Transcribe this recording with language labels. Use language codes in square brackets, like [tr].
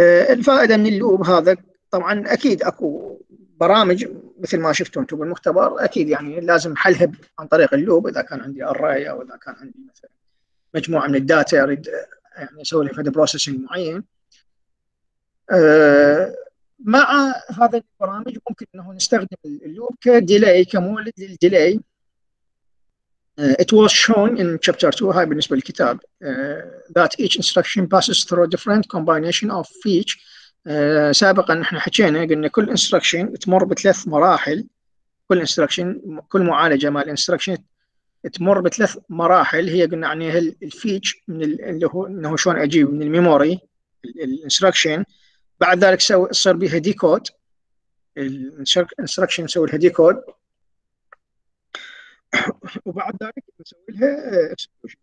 [ar] الفائدة من اللوب هذا، طبعاً أكيد أكو برامج مثل ما شفتوا انتم بالمختبر اكيد يعني لازم حلها عن طريق اللوب، اذا كان عندي اراي او اذا كان عندي مثلا مجموعه من الداتا اريد يعني اسوي لها فد بروسيسنج معين. مع هذا البرامج ممكن انه نستخدم اللوب كديلي، كمولد للديلي. [en] It was shown in chapter 2، [ar] هاي بالنسبه للكتاب، [en] that each instruction passes through a different combination of each. [ar] سابقا نحن حكينا قلنا كل instruction تمر بثلاث مراحل، كل instruction كل معالجة مال instruction تمر بثلاث مراحل، هي قلنا يعني الفيتش من اللي هو انه شلون اجيب من الميموري الانستركشن، بعد ذلك سوي يصير بها ديكود الانستركشن، نسوي لها ديكود وبعد ذلك نسوي لها execution.